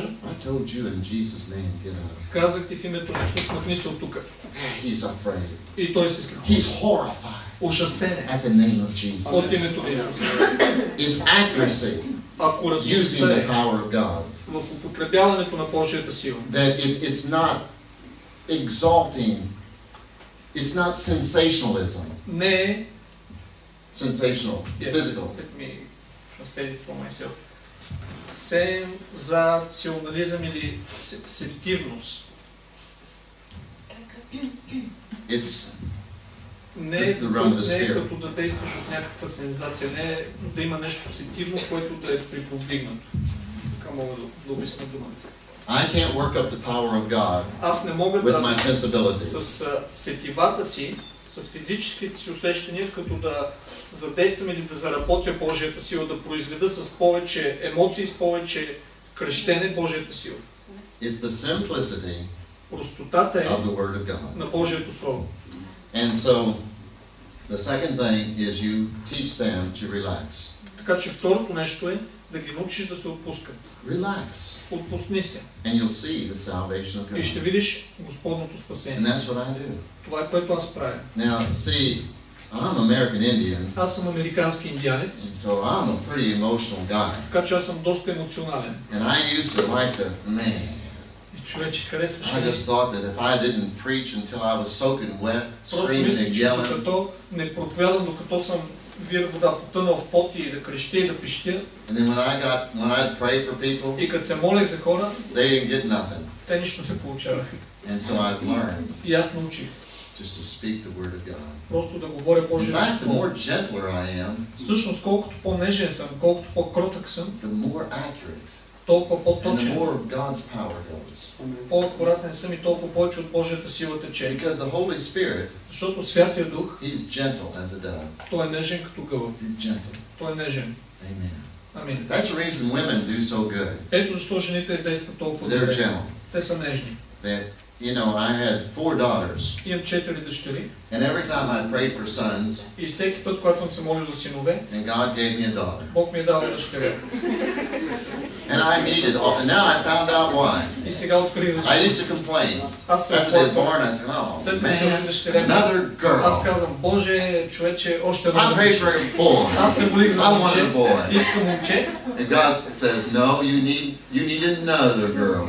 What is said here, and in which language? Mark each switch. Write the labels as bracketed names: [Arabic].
[English] I told you in Jesus' name, get up. [Bulgarian] Казах ти в името на Исус, махни се от тук. [English] He's afraid. [Bulgarian] И той се скри. [English] He's horrified. [Bulgarian] Ужасен е. [English] At the name of Jesus. [Bulgarian] От името на Исус. [English] It's accuracy. Using the power of God. [Bulgarian] В употребяването на Божията сила. [English] That it's not exalting It's not sensationalism. [Bulgarian] Не е... [English] Sensational. Yes. Physical. Let me translate it for myself. [Bulgarian] Сензационализъм или сенситивност. [English] It's [Bulgarian] не е като да действаш от някаква сензация, не е да има нещо сензитивно, което да е приповдигнато. Така мога да обясня думата. [English] I can't work up the power of God with my sensibilities. [Bulgarian] С сетивата си, с физическите си усещания, като да задействам или да заработя Божията сила, да произведа с повече емоции, с повече крещене Божията сила. [English] It's the simplicity [Bulgarian] простотата е [English] of the word of God. [Bulgarian] На Божието слово. [English] And so the second thing is you teach them to relax. [Bulgarian] Така че второто нещо е да ги научиш да се отпускат. [English] Relax. [Bulgarian] Отпусни се. [English] And you'll see the salvation of God. [Bulgarian] И ще видиш Господното спасение. [English] And that's what I do. [Bulgarian] Това е което аз правя. [English] Now, see, I'm American Indian. [Bulgarian] Аз съм американски индианец. [English] So I'm a pretty emotional guy. [Bulgarian] Така че аз съм доста емоционален. [English] And I used to like the man. I just thought that if I didn't preach until I was soaking wet, screaming and yelling, [Bulgarian] като не проповядам, докато съм вир вода, потънал в пот и да крещя и да пищя. [English] And then when I'd pray for people, [Bulgarian] и като се молех за хора, [English] they didn't get nothing. [Bulgarian] Те нищо не получаваха. [English] And so I learned. [Bulgarian] И аз научих. [English] Just to speak the word of God. [Bulgarian] Просто да говоря Божието слово. [English] The more gentler I am, [Bulgarian] всъщност колкото по-нежен съм, колкото по-кротък съм, [English] the more accurate. [Bulgarian] Толкова по-точен. [English] And the more of God's power goes. [Bulgarian] По-аккуратен съм и толкова повече от Божията сила тече. [English] Because the Holy Spirit, [Bulgarian] защото Святия Дух, [English] He is gentle as a dove. [Bulgarian] Той е нежен като гъба. [English] He's gentle. [Bulgarian] Той е нежен. [English] Amen. [Bulgarian] Амин. [English] That's the reason women do so good. [Bulgarian] Ето защо жените действат толкова добре. [English] They're gentle. [Bulgarian] Те са нежни. [English] You know, I had four daughters. [Bulgarian] Имам четири дъщери. [English] And every time I prayed for sons, [Bulgarian] и всеки път, когато съм се молил за синове, [English] and God gave me a daughter. [Bulgarian] Бог ми е дал дъщеря. [English] And I needed all, and now I found out why. [Bulgarian] И сега открих защо. [English] I used to complain. [Bulgarian] Аз се [English] after this born, I said, oh, man, another girl. [Bulgarian] Аз казвам, Боже, човече, още една момче. [English] I prayed for a boy. [Bulgarian] Аз се молих за момче. [English] I want a boy. [Bulgarian] Искам момче. [English] And God says, no, you need another girl.